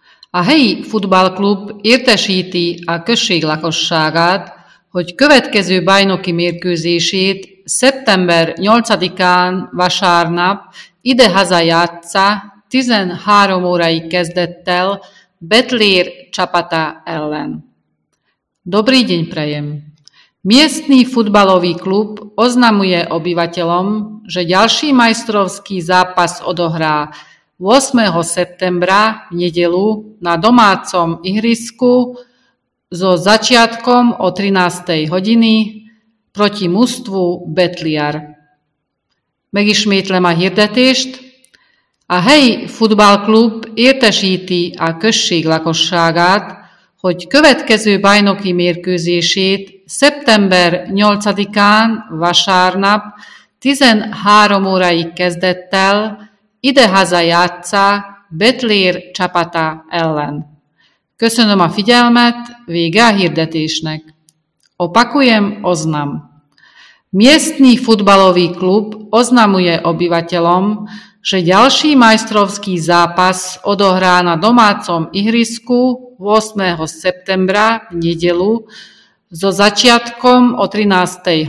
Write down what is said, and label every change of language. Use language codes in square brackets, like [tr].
[hu] A helyi futballklub értesíti a község lakosságát, hogy következő bajnoki mérkőzését szeptember 8-án vasárnap idehaza játssza 13 órai kezdettel Betlér csapata ellen. [sk] Dobrý deň prajem! Miestny futbalový klub oznamuje obyvateľom, že ďalší majstrovský zápas odohrá 8. septembra v nedeľu na domácom ihrisku so začiatkom o 13. hodiny proti mužstvu Betliar. [hu] Megismétlem a hirdetést. A helyi futballklub értesíti a község lakosságát, hogy következő bajnoki mérkőzését szeptember 8-án vasárnap 13 órai kezdettel idehaza játssza Betlér csapata ellen. Köszönöm a figyelmet, vége a hirdetésnek. [sk] Opakujem oznam. Miestny futbalový klub oznamuje obyvateľom, že ďalší majstrovský zápas odohrá na domácom ihrisku 8. septembra v nedeľu so začiatkom o 13.